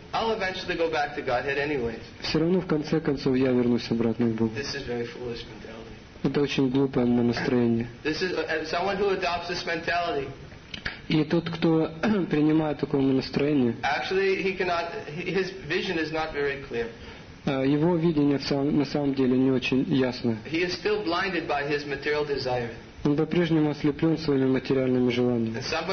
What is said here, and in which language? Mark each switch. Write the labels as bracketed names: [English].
[English] I'll eventually go back to Godhead anyways. [Russian] Все равно в конце концов я вернусь обратно к Богу. [English] This is very foolish mentality. [Russian] Это очень глупое настроение. [English] This is someone who adopts this mentality. [Russian] И тот, кто принимает такое настроение, [English] actually, he cannot, his vision is not very clear. [Russian] Его видение на самом деле не очень ясно. [English] He is still blinded by his material desire. [Russian] Он по-прежнему ослеплен своими материальными желаниями.